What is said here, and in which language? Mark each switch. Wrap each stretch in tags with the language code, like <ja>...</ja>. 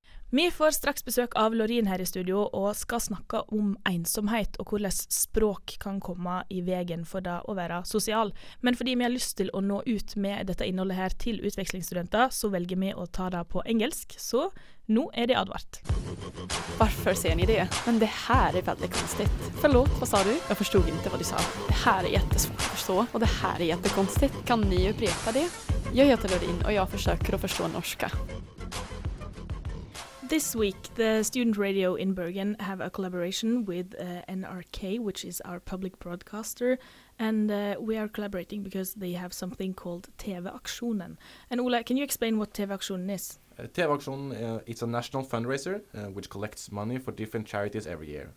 <no>Vi får straks besøk av Lorin her i studio og skal snakke om ensomhet og hvordan språk kan komme i vegen for det å være sosial. Men fordi vi har lyst til å nå ut med dette innholdet her til utvekslingsstudenter, så velger vi å ta det på engelsk. Så nå er det advart.</no> <sv>Varför ser ni det? Men det här är väldigt konstigt. Förlåt, vad sa du? Jag förstod inte vad du sa. Det här är jättesvårt att förstå och det här är jättekonstigt. Kan ni upprepa det? Jag heter Lorin och jag försöker att förstå norska.</sv> <en>This week, the student radio in Bergen have a collaboration with NRK, which is our public broadcaster, and we are collaborating because they have something called TV-aksjonen. And Ola, can you explain what TV-aksjonen is? TV-aksjonen is a national fundraiser which collects money for different charities every year.</en>